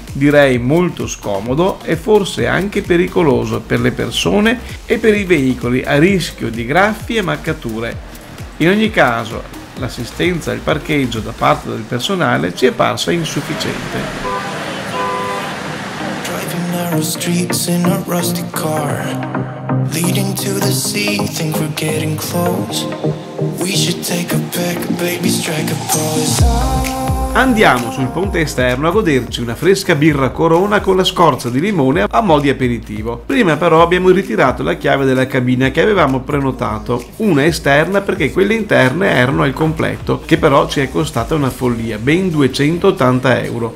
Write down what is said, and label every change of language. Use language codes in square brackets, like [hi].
[it] Direi molto scomodo e forse anche pericoloso per le persone e per i veicoli, a rischio di graffi e marcature. In ogni caso, l'assistenza al parcheggio da parte del personale ci è parsa insufficiente. [en] Driving narrow streets in a rusty car, leading to the sea, think we're getting close. We should take a pic, baby, strike a pose. [it] Andiamo sul ponte esterno a goderci una fresca birra Corona con la scorza di limone a mo' di aperitivo. Prima però abbiamo ritirato la chiave della cabina che avevamo prenotato, una esterna perché quelle interne erano al completo, che però ci è costata una follia, ben 280 euro.